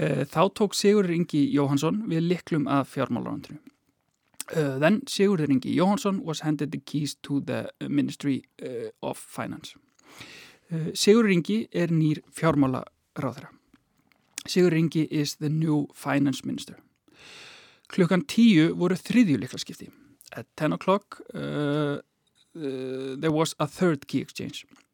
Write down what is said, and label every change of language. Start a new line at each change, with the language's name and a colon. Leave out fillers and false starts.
Icelandic: Þá tók Sigurður Ingi Jóhannsson við lyklum að fjármálaráðuneytinu.
English: Then Sigurður Ingi Jóhannsson was handed the keys to the Ministry of Finance.
Icelandic: Sigurður Ingi nýr fjármálaráðherra.
English: Sigurður Ingi is the new finance minister.
Icelandic: Klukkan 10 voru þriðju lyklaskipti.
English: At 10:00, there was a third key exchange.